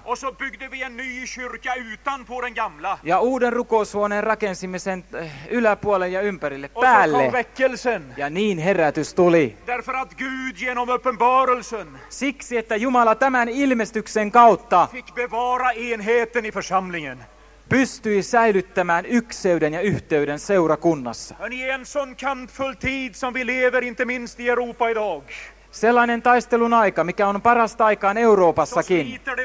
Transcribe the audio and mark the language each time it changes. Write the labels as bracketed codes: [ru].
[sv] Och så byggde vi en ny kyrka utanpå den gamla. [fi] Ja uuden rukoushuoneen rakensimme sen yläpuolen ja ympärille, päälle. [sv] Och så kom väckelsen. [fi] Ja niin herätys tuli. [sv] Därför att Gud genom uppenbarelsen. [fi] Siksi, että Jumala tämän ilmestyksen kautta [sv] fick bevara enheten i församlingen. [fi] Pystyi säilyttämään ykseyden ja yhteyden seurakunnassa. [sv] Ni är en sån kampfull tid som vi lever inte minst i Europa idag. [fi] Sellainen taistelun aika, mikä on parasta aikaan Euroopassakin.